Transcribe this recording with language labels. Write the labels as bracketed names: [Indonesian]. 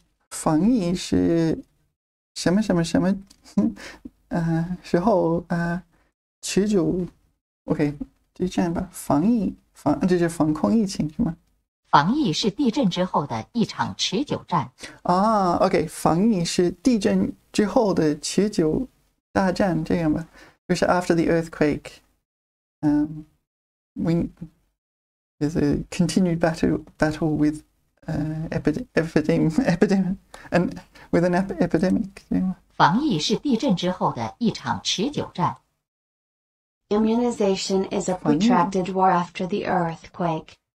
[Chinese] 防疫是什么什么什么时候持久 OK, 就这样吧。防疫就是防控疫情是吗？防疫是地震之后的一场持久战。 OK, 防疫是地震之后的持久大战，这样吧。 [English] 就是 after the earthquake, there's a continued battle with an epidemic. [Chinese] 防疫是地震之后的一场持久战。 [English] Immunization is a protracted war after the earthquake.